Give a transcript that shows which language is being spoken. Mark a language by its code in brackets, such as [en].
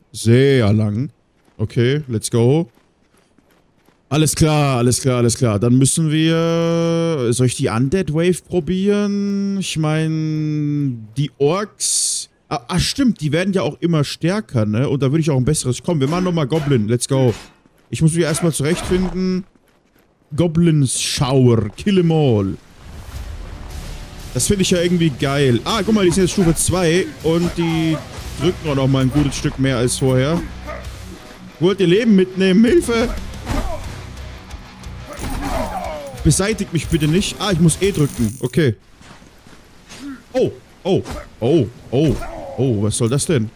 [de] Sehr lang. Okay, [en] let's go. [de] Alles klar, alles klar, alles klar. Dann müssen wir... Soll ich die Undead Wave probieren? Ich meine, die Orks... Ah, stimmt, die werden ja auch immer stärker, ne? Und da würde ich auch ein besseres... Komm, wir machen nochmal Goblin, [en] let's go. [de] Ich muss mich erstmal zurechtfinden. [en] Goblins Shower, kill them all. [de] Das finde ich ja irgendwie geil. Ah, guck mal, die sind jetzt Stufe 2 und die drücken auch nochmal ein gutes Stück mehr als vorher. Wollt ihr Leben mitnehmen? Hilfe! Beseitigt mich bitte nicht. Ah, ich muss E drücken. Okay. Oh, oh, oh, oh, oh, was soll das denn?